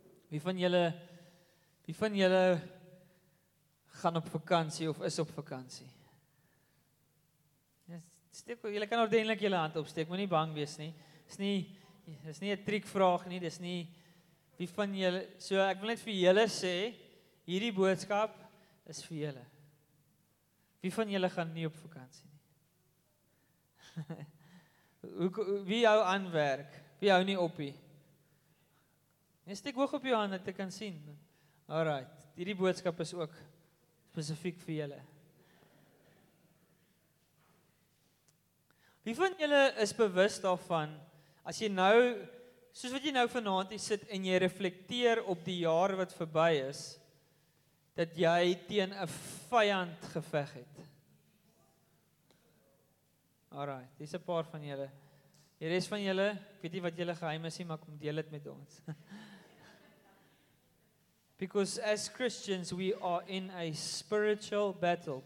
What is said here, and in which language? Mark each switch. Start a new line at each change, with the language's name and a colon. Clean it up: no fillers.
Afrikaans: Wie van julle gaan op vakansie of is op vakansie? Steek, julle kan ordentlik julle hand opsteek, moet nie bang wees nie. Dis nie 'n triek vraag nie, dis nie, wie van julle, so ek wil net vir julle sê, hierdie boodskap is vir julle. Wie van julle gaan nie op vakansie nie? Wie jou aanwerk? Wie hou nie op nie? Nee, steek hoog op jou hand, dat ek kan sien. Alright, hierdie boodskap is ook spesifiek vir julle. Wie van julle is bewus daarvan, as jy nou, soos wat jy nou vanavond hier sit, en jy reflekteer op die jaar wat verby is, dat jy teen 'n vyand geveg het? Alright, dis 'n paar van julle. Die rest van julle, ek weet nie wat julle geheim is nie, maar kom deel dit met ons.
English: Because as Christians, we are in a spiritual battle.